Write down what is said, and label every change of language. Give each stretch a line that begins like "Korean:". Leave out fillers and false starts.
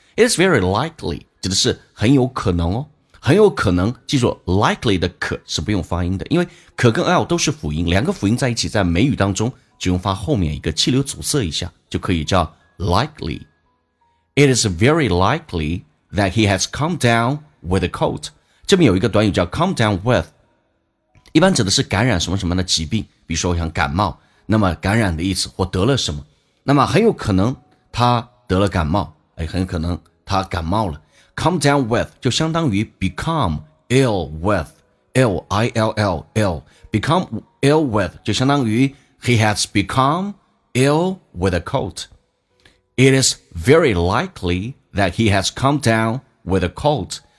English: It is very likely
Chinese: 指的是很有可能哦，很有可能，记住 likely 的可是不用发音的，因为可跟 L 都是辅音，两个辅音在一起在美语当中只用发后面一个气流阻塞一下就可以，叫 likely。
English: It is very likely that he has come down with a cold.
Chinese: 这边有一个短语叫 come down with， 一般指的是感染什么什么的疾病，比如说像感冒，那么感染的意思，或得了什么，那么很有可能他得了感冒，哎，很可能他感冒了。
English: come down with
Chinese: 就相当于
English: become ill with， L-I-L-L ill become ill with 就相当于He has become ill with a cold. It is very likely that he has come down with a cold.